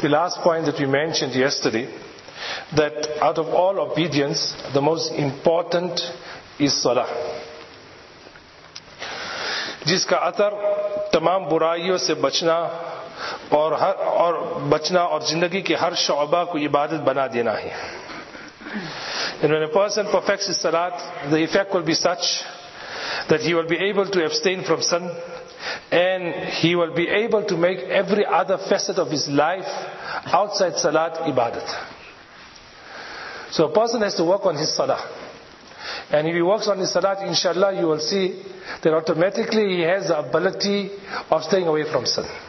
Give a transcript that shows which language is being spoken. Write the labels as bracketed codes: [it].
[en] The last point that we mentioned yesterday, that out of all obedience, the most important is Salah. [ur] جس کا اثر تمام برائیوں سے بچنا اور بچنا اور زندگی کے ہر شعبہ کو عبادت بنا دینا ہے. [en] And when a person perfects his salat, the effect will be such that he will be able to abstain from sin, and he will be able to make every other facet of his life outside salat ibadat. So a person has to work on his salah. And if he works on his salat, inshallah, you will see that automatically he has the ability of staying away from sin.